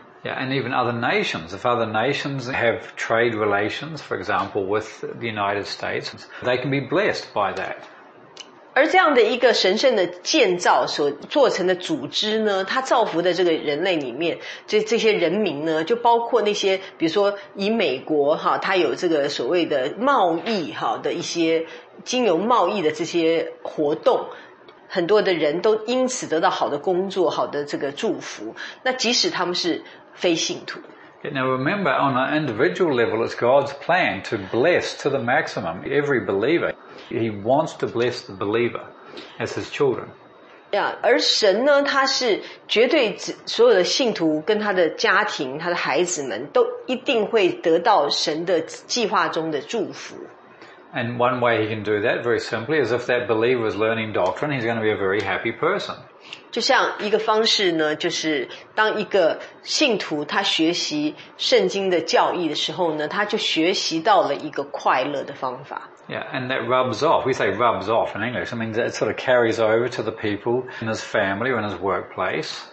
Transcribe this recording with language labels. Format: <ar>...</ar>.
<en>Yeah, and even other nations. If other nations have trade relations, for example, with the United States, they can be blessed by that.</en> <zh>而这样的一个神圣的建造所做成的组织呢，它造福的这个人类里面，这些人民呢，就包括那些，比如说以美国哈，它有这个所谓的贸易哈的一些经由贸易的这些活动，很多的人都因此得到好的工作，好的这个祝福，那即使他们是非信徒。</zh> <en>Now remember, on an individual level, it's God's plan to bless to the maximum every believer. He wants to bless the believer as his children.</en> <zh>Yeah, 而神呢，他是绝对所有的信徒跟他的家庭、他的孩子们都一定会得到神的计划中的祝福。</zh> <en>And one way he can do that, very simply, is if that believer is learning doctrine, he's going to be a very happy person.</en> <zh>就像一个方式呢，就是当一个信徒他学习圣经的教义的时候呢，他就学习到了一个快乐的方法。</zh> <en>Yeah, and that rubs off. We say rubs off in English. I mean, that sort of carries over to the people in his family or in his workplace.</en>